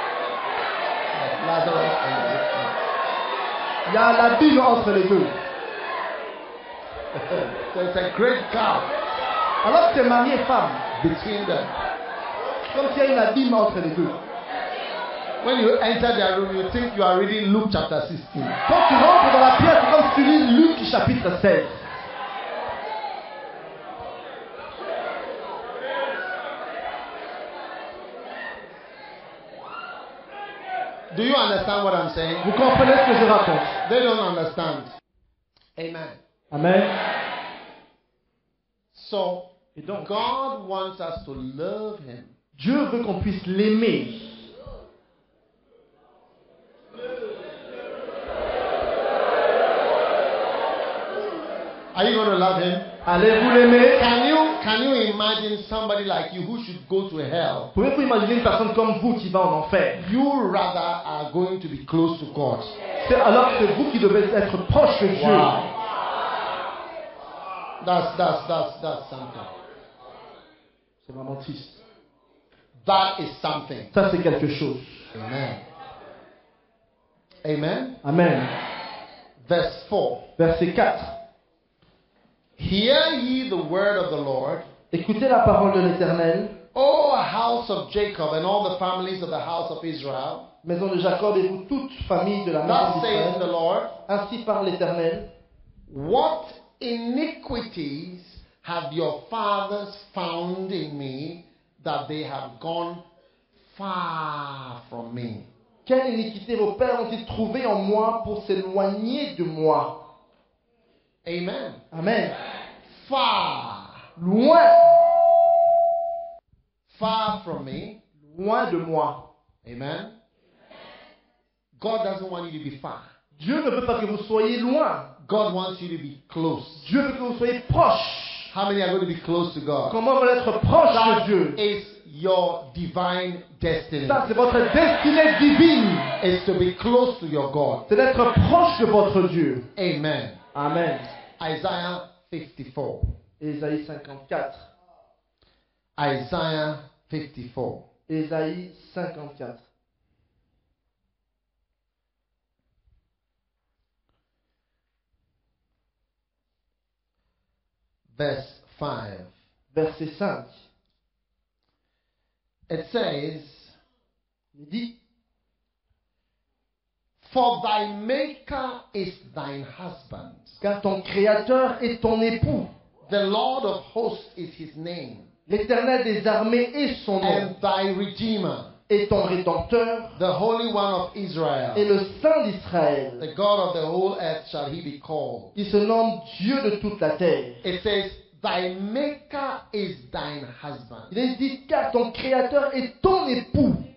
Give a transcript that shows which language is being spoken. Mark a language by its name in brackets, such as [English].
[English] Like Lazarus and the rich man. [French] Il y a la vie entre les deux. [English] There's a great gap. [French] Alors que tu es marié femme. [English] Between them. [French] Comme s'il y a une abîme entre les deux. [English] When you enter their room, you think you are reading Luke chapter 16. [French] Quand tu rentres dans la pièce, comme tu lis Luke chapitre 16. [English] Do you understand what I'm saying? [French] Vous comprenez ce que je raconte? [English] They don't understand. Amen. [French] Amen. [English] So, [French] et donc, [English] God wants us to love him. [French] Dieu veut qu'on puisse l'aimer. [English] Are you going to love him? [French] Allez-vous l'aimer? [English] Can you imagine somebody like you who should go to hell? [French] Pouvez-vous imaginer une personne comme vous qui va en enfer? [English] You rather are going to be close to God. [French] C'est alors que vous qui devez être proche de Dieu. [English] Wow. That's something. [French] C'est vraiment triste. [English] That is something. [French] Ça c'est quelque chose. [English] Amen. Amen. [French] Amen. [English] Verse 4. [French] Verset 4. [English] Hear ye the word of the Lord. [French] Écoutez la parole de l'Éternel. [English] O house of Jacob and all the families of the house of Israel. [French] Maison de Jacob et vous toute famille de la maison d'Israël. [English] Thus saith the Lord. [French] Ainsi parle l'Éternel. [English] What iniquities have your fathers found in me that they have gone far from me? [French] Quelle iniquité vos pères ont-ils trouvé en moi pour s'éloigner de moi? [English] Amen. [French] Amen. [English] Far. [French] Loin. [English] Far from me. [French] Loin de moi. [English] Amen. God doesn't want you to be far. [French] Dieu ne veut pas que vous soyez loin. [English] God wants you to be close. [French] Dieu veut que vous soyez proche. [English] How many are going to be close to God? [French] Comment vous allez être proche [English] that [French] de Dieu? [English] Is your divine destiny. [French] Ça, c'est votre destinée divine. [English] Is to be close to your God. [French] C'est d'être proche de votre Dieu. [English] Amen. [French] Amen. [English] Isaiah 54. [French] Ésaïe 54. [English] Isaiah 54. [French] Ésaïe 54. [English] Verse 5. [French] Verset 5. [English] It says, [French] il dit, [English] for thy maker is thine husband. [French] Car ton créateur est ton époux. [English] The Lord of hosts is his name. [French] L'Éternel des armées est son nom. [English] And thy redeemer. [French] Et ton rédempteur. [English] The Holy One of Israel. [French] Et le Saint d'Israël. [English] The God of the whole earth shall he be called. [French] Il se nomme Dieu de toute la terre. [English] It says, thy maker is thine husband. [French] Il est dit, car ton créateur est ton époux.